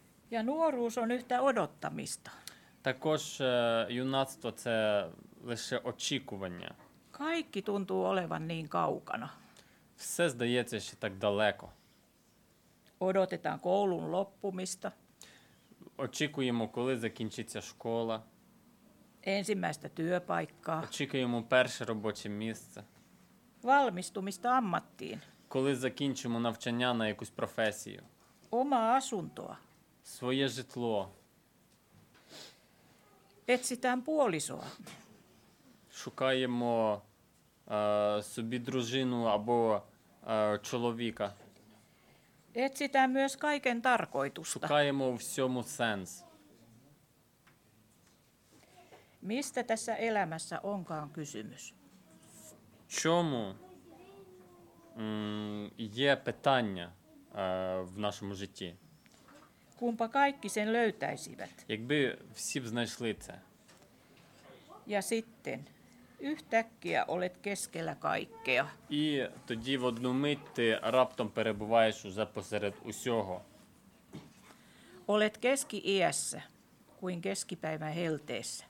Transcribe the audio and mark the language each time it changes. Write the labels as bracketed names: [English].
[Finnish] Ja nuoruus on yhtä odottamista. [Ukrainian] Також юнацтво – це лише очікування. [Finnish] Kaikki tuntuu olevan niin kaukana. [Ukrainian] Все здається ще так далеко. [Finnish] Odotetaan koulun loppumista. [Ukrainian] Очікуємо, коли закінчиться школа. [Finnish] Ensimmäistä työpaikkaa. [Ukrainian] Очікуємо перше робоче місце. [Finnish] Valmistumista ammattiin. [Ukrainian] Коли закінчимо навчання на якусь професію. [Finnish] Oma asuntoa. [Ukrainian] Своє житло. [Finnish] Etsitään puolisoa. [Ukrainian] Шукаємо собі дружину або чоловіка. [Finnish] Etsitään myös kaiken tarkoitusta. [Ukrainian] Шукаємо у всьому сенс. [Finnish] Mistä tässä elämässä onkaan kysymys? [Ukrainian] Чому є питання в нашому житті? [Finnish] Kumpa kaikki sen löytäisivät? [Ukrainian] Якби всі б знайшли це. [Finnish] Ja sitten yhtäkkiä olet keskellä kaikkea. [Ukrainian] І тоді в одну мить ти раптом перебуваєш уже посеред усього. [Finnish] Olet keski-iässä. Kuin keskipäivän helteessä.